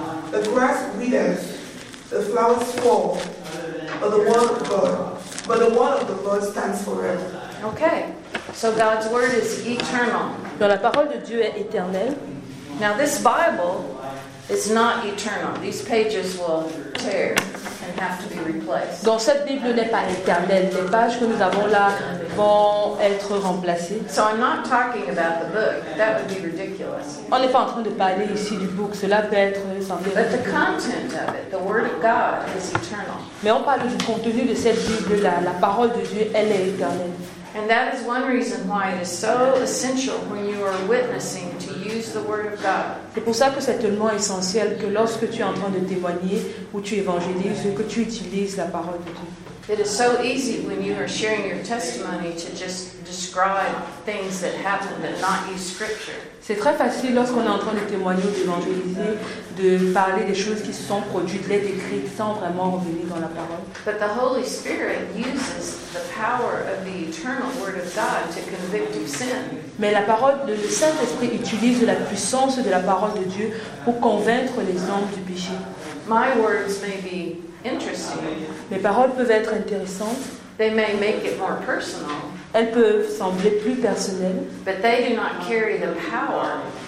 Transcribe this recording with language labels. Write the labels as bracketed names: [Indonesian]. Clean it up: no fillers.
[English] The grass withers, the flowers fall, but the word of the Lord stands forever. Okay, so God's word is eternal. [French] Donc la parole de Dieu est éternelle. [English] Now this Bible is not eternal. These pages will tear and have to be replaced. [French] Donc cette Bible n'est pas éternelle. Les pages que nous avons là vont être remplacées. [English] So I'm not talking about the book. That would be ridiculous. [French] On n'est pas en train de parler ici du book. Cela peut être semblable. [English] But the content of it, the word of God, is eternal. [French] Mais on parle du contenu de cette Bible là. La parole de Dieu, elle est éternelle. [English] And that is one reason why it is so essential when you are witnessing to use the word of God. [French] C'est pour ça que c'est tellement essentiel que lorsque tu es en train de témoigner ou tu évangélises, que tu utilises la parole de Dieu. [English] It is so easy when you are sharing your testimony to just describe things that happened and not use scripture. [French] C'est très facile lorsqu'on est en train de témoigner ou d'évangéliser de parler des choses qui se sont produites, de les décrire sans vraiment revenir dans la parole. [English] But the Holy Spirit uses the power of the eternal word of God to convict of sin. [French] Mais la parole de le Saint-Esprit utilise la puissance de la parole de Dieu pour convaincre les hommes du péché. [English] My words may be interesting. [French] Mes paroles peuvent être intéressantes. [English] They may make it more personal. [French] Elles peuvent sembler plus personnelles. [English] But they do not carry the power.